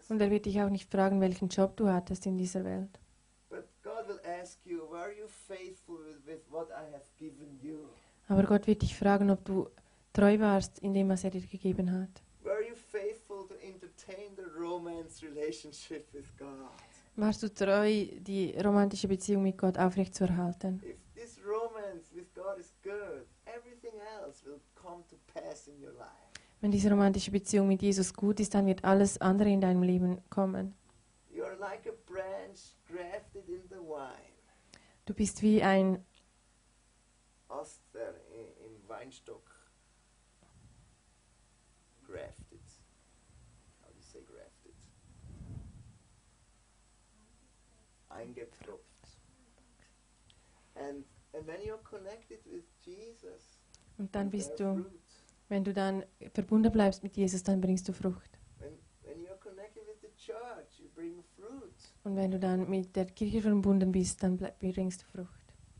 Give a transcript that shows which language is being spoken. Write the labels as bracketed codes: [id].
[de] Und er wird dich auch nicht fragen, welchen Job du hattest in dieser Welt. [en] But God will ask you, were you faithful with what I have given you? [de] Aber Gott wird dich fragen, ob du treu warst in dem, was er dir gegeben hat. [en] Were you faithful to entertain the romance relationship with God? [de] Warst du treu, die romantische Beziehung mit Gott aufrechtzuerhalten? [en] If this romance with God is good, everything else will come to pass in your life. [de] Wenn diese romantische Beziehung mit Jesus gut ist, dann wird alles andere in deinem Leben kommen. [en] You are like a branch grafted in the wine. [de] Du bist wie ein Oster im Weinstock [en] grafted. How do you say grafted? Eingepfropft. And when you're connected with Jesus, [de] und dann bist du, wenn du dann verbunden bleibst mit Jesus, dann bringst du Frucht. [en] When you're connected with the church, you bring fruit. [de] Und wenn du dann mit der Kirche verbunden bist, dann bringst du Frucht.